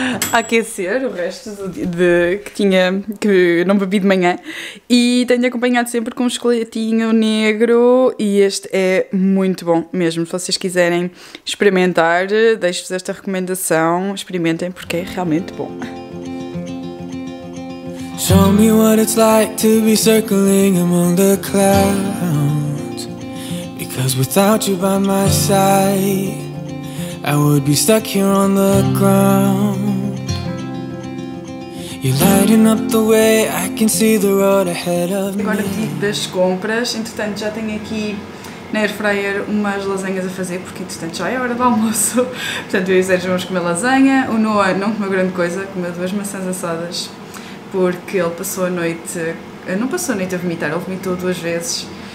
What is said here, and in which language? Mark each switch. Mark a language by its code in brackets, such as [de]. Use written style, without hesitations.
[pt] Aquecer o resto de que tinha que não bebi de manhã e tenho acompanhado sempre com um chocolatinho negro e este é muito bom mesmo. Se vocês quiserem experimentar, deixo-vos esta recomendação, experimentem porque é realmente bom. [en] Show me what it's like to be circling among the clouds, because without you by my side I would be stuck here on the ground. You're lighting up the way, I can see the road ahead of me. [pt] Agora pedido das compras, entretanto já tenho aqui na airfryer umas lasanhas a fazer, porque entretanto já é hora do almoço. Portanto, eu e o Sérgio vamos comer lasanha. O Noah não comeu grande coisa, comeu duas maçãs assadas, porque ele passou a noite, não passou a noite a vomitar, ele vomitou duas vezes.